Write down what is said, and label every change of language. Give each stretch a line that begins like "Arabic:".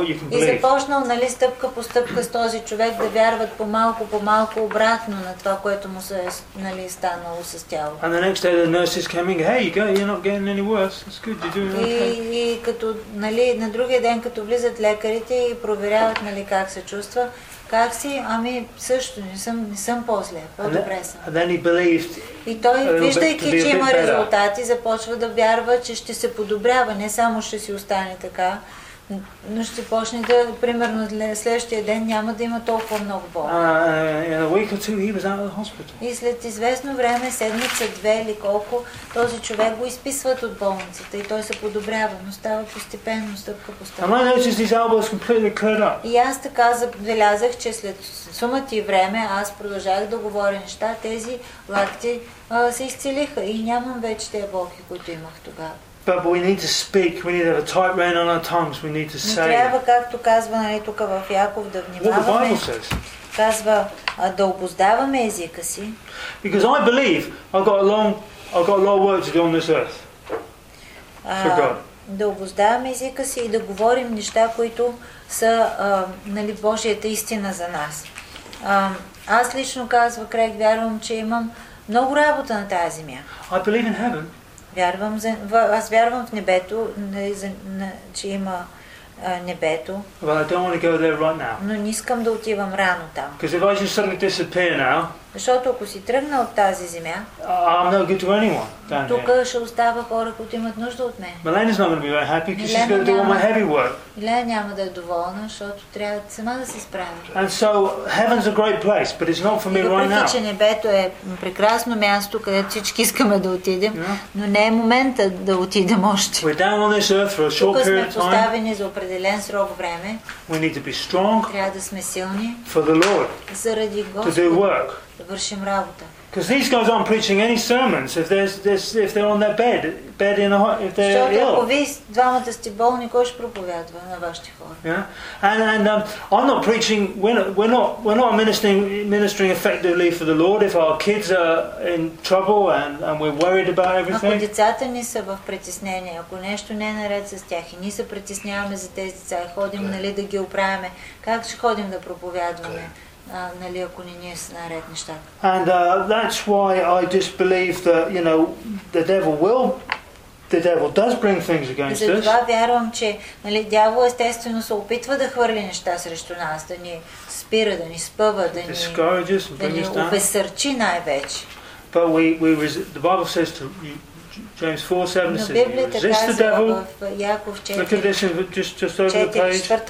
Bulgarian: И започнал, нали, стъпка по стъпка с този човек да вярват по малко обратно на това, което му се е, нали, станало с тяло.
English: And the next day the nurses came in, hey, you're not getting any worse, it's good, you're doing okay.
Bulgarian: И като, нали, на другия ден, като влизат лекарите и проверяват, нали, как се чувства, как си? Ами също, не съм по-зле, по-добре съм.
English: And then he believed.
Bulgarian: И той, виждайки, че има резултати, започва да вярва, че ще се подобрява, не само ще си остане така, но ще почне да, примерно, следващия ден няма да има толкова много болка.
English: In a week or two he was out of the hospital.
Bulgarian: И след известно време, седмица, две или колко, този човек го изписват от болницата и той се подобрява, но става постепенно, стъпка по стъпка.
English: And I noticed his elbow was completely cleared up.
Bulgarian: И аз така забелязах, че след сумата и време, аз продължах да говоря неща, тези лакти се изцелиха и нямам вече тези болки, които имах тогава.
English: But we need to speak, we need to have a tight rein on our tongues, we need to say.
Bulgarian: Трябва, както казва, нали, тук в Яков, да внимаваме. Казва, да обуздаваме езика си.
English: Because I believe I've got a lot of work to do on this earth. For God.
Bulgarian: да обоздаваме езика си и да говорим неща, които са нали, Божията истина за нас. Аз лично казвам, Крейг, вярвам, че имам много работа на тази земя.
English: I believe in heaven.
Bulgarian: Вярвам за, аз вярвам в небето, че има небето.
English: But I don't want to go there right now.
Bulgarian: Но не искам да отивам рано там.
English: Because if I just suddenly disappear now,
Bulgarian: защото ако си тръгна от тази земя,
English: I'm not good to anyone.
Bulgarian: Тук ще остава хора, които имат нужда от мен.
English: Melanie's not going to be very happy because she's going to do all my heavy work.
Bulgarian: Милена няма да е доволна, защото трябва сама да се справи.
English: And so heaven's a great place, but it's not for me right now.
Bulgarian: Въпреки че небето е прекрасно място, където всички искаме да отидем, но не е момента да отидем още.
English: We're down on this earth for a short period of time.
Bulgarian: Тук сме поставени за определен срок време.
English: We need to be strong.
Bulgarian: Трябва да сме силни.
English: For the Lord.
Bulgarian: Заради Господ.
English: To do work.
Bulgarian: Да вършим работа.
English: Because these guys aren't preaching any sermons if they're on their bed in a if they're ill.
Bulgarian: Защото ако вие двамата сте болни, кой ще проповядва на вашите хора?
English: Yeah. And I'm not preaching. We're not ministering effectively for the Lord if our kids are in trouble and we're worried about everything.
Bulgarian: Ако децата ни са в притеснение, ако нещо не е наред с тях и ние се притесняваме за тези деца, ходим нали да ги оправяме. Как ще ходим да проповядваме? Нали, ако не ние са наред нещата.
English: And that's why I just believe that, you know, the devil does bring things against us.
Bulgarian: Затова вярвам, че нали, дявол естествено се опитва да хвърли неща срещу нас, да ни спира, да ни спъва, да ни обесърчи най-вече.
English: But the Bible says to you, James 4:7 says, resist the devil. Look at this, just over the page.